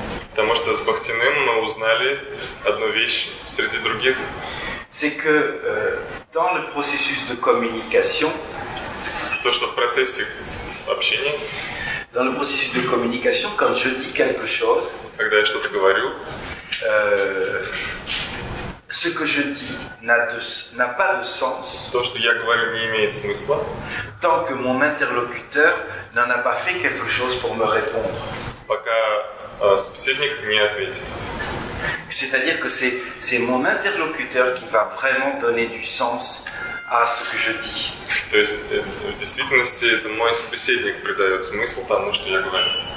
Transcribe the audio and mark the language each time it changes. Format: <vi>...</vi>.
<ru>Потому что с Бахтиным мы узнали одну вещь среди других.</ru> <fr>C'est que dans le processus de communication.</fr> <ru>То, что в процессе общения.</ru> <fr>Dans le processus de communication, quand je dis quelque chose.</fr> <ru>Когда я что-то говорю.</ru> <fr>Ce que je dis n'a pas de sens.</fr> <ru>То, что я говорю, не имеет смысла.</ru> <fr>Tant que mon interlocuteur n'en a pas fait quelque chose pour me répondre.</fr> <ru>Пока собеседник не ответит.</ru> <fr>C'est-à-dire que c'est mon interlocuteur qui va vraiment donner du sens à ce que je dis.</fr> <ru>То есть в действительности это мой собеседник придает смысл тому, что я говорю.</ru>